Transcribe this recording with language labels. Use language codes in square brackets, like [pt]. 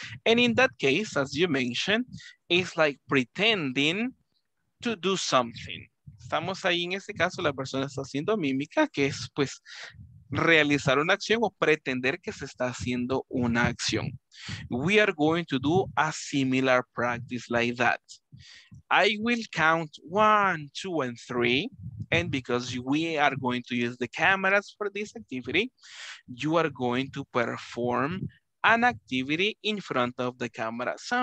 [en] And in that case, as you mentioned, it's like pretending to do something. [es] Estamos ahí en ese caso, la persona está haciendo mímica, que es pues realizar una acción o pretender que se está haciendo una acción. [en] We are going to do a similar practice like that. I will count 1, 2, and 3. And because we are going to use the cameras for this activity, you are going to perform an activity in front of the camera.